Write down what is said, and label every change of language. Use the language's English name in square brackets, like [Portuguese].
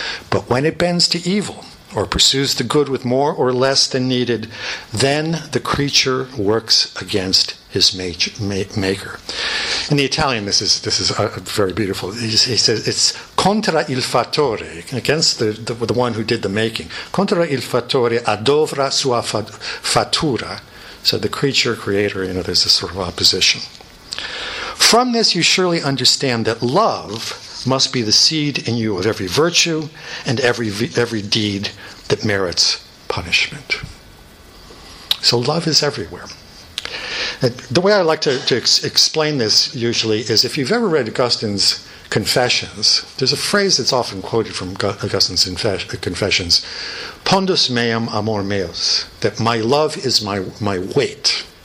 [English] But when it bends to evil, or pursues the good with more or less than needed, then the creature works against his maker. In the Italian, this is very beautiful. He says, it's [Italian] contra il fattore, [English] against the one who did the making. [Italian] Contra il fattore adovra sua fattura. [English] So the creature, creator, you know, there's this sort of opposition. "From this you surely understand that love must be the seed in you of every virtue and every deed that merits punishment." So love is everywhere. And the way I like to explain this usually is, if you've ever read Augustine's Confessions, there's a phrase that's often quoted from Augustine's Confessions, [Latin] "Pondus meum amor meus," [English] that my love is my weight.